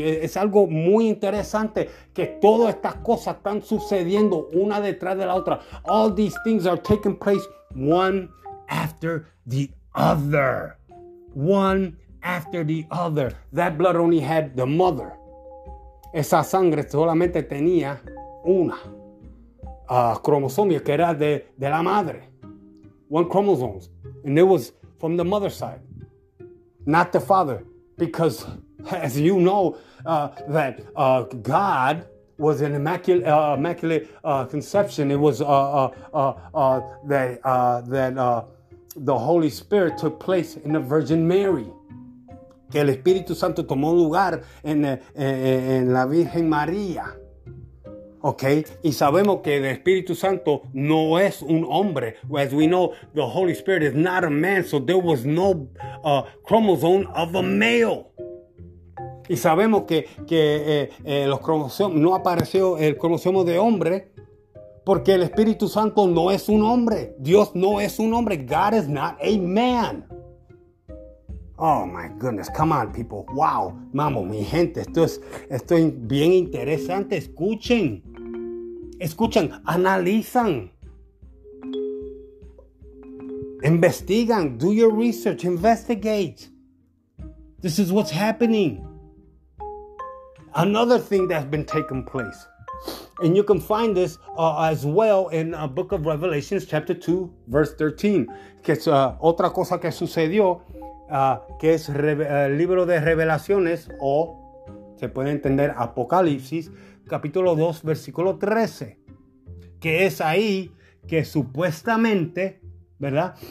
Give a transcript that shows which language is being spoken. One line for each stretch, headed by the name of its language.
Spanish: Es algo muy interesante que todas estas cosas están sucediendo una detrás de la otra.
English: All these things are taking place one after the other. One after the other. That blood only had the mother.
Spanish: Esa sangre solamente tenía una cromosomio, que era de la madre.
English: One chromosome. And it was from the mother's side, not the father. Because, as you know, God was an immaculate conception. It was the Holy Spirit took place in the Virgin Mary.
Spanish: Que el Espíritu Santo tomó lugar en la Virgen María. Ok. Y sabemos que el Espíritu Santo no es un hombre.
English: As we know, the Holy Spirit is not a man. So there was no chromosome of a male.
Spanish: Y sabemos que los cromosomos, no apareció el cromosoma de hombre. Porque el Espíritu Santo no es un hombre. Dios no es un hombre.
English: God is not a man. Oh my goodness, come on people, wow,
Spanish: mamo, mi gente, esto es bien interesante, escuchen, analizan, investigan,
English: do your research, investigate, This is what's happening. Another thing that's been taking place. And you can find this as well in the book of Revelations, chapter 2, verse 13.
Spanish: Que es otra cosa que sucedió, que es libro de revelaciones, o se puede entender Apocalipsis, capítulo 2, versículo 13. Que es ahí que supuestamente, ¿verdad?